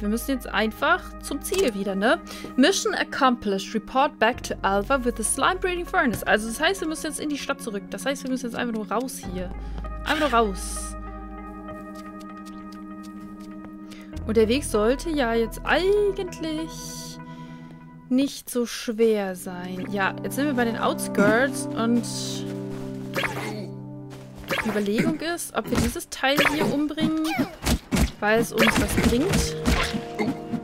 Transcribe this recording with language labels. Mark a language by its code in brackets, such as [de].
[de] Wir müssen jetzt einfach zum Ziel wieder, ne? [en] Mission accomplished. Report back to Alpha with the Slime Breeding Furnace. [de] Also das heißt, wir müssen jetzt in die Stadt zurück. Das heißt, wir müssen jetzt einfach nur raus hier. Einfach nur raus. Und der Weg sollte ja jetzt eigentlich nicht so schwer sein. Ja, jetzt sind wir bei den Outskirts und die Überlegung ist, ob wir dieses Teil hier umbringen, weil es uns was bringt.